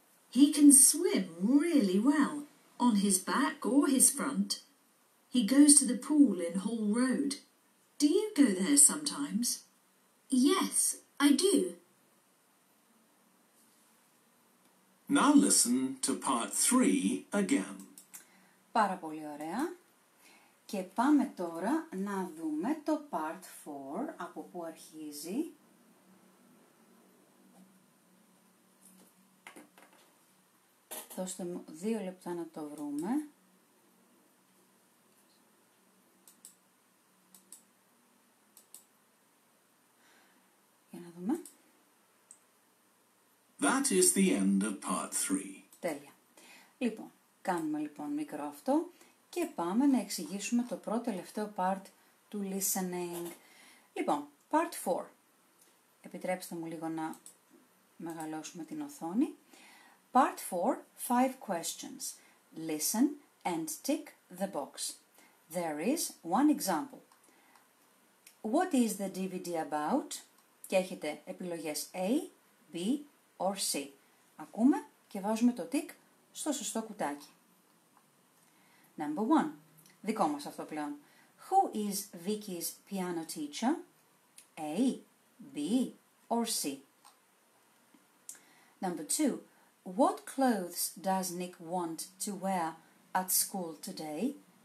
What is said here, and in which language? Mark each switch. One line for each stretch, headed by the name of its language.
English: He can swim really well, on his back or his front. He goes to the pool in Hall Road. Do you go there sometimes? Yes, I do. Now listen to part 3 again.
Greek: Πάρα πολύ ωραία. Και πάμε τώρα να δούμε το part 4 από που αρχίζει. Δώστε μου 2 λεπτά να το βρούμε.
English: That is the end of part 3.
Greek: Τέλεια. Λοιπόν, κάνουμε λοιπόν μικρό αυτό και πάμε να εξηγήσουμε το πρώτο τελευταίο part του listening. Λοιπόν, part 4. Επιτρέψτε μου λίγο να μεγαλώσουμε την οθόνη.
English: Part 4, 5 questions. Listen and tick the box. There is one example. What is the DVD about?
Greek: Και έχετε επιλογές A, B or C. Ακούμε και βάζουμε το τικ στο σωστό κουτάκι.
English: Number 1.
Greek: Δικό μας αυτό πλέον.
English: Who is Vicky's piano teacher? A, B or C. Number 2. What clothes does Nick want to wear at school today?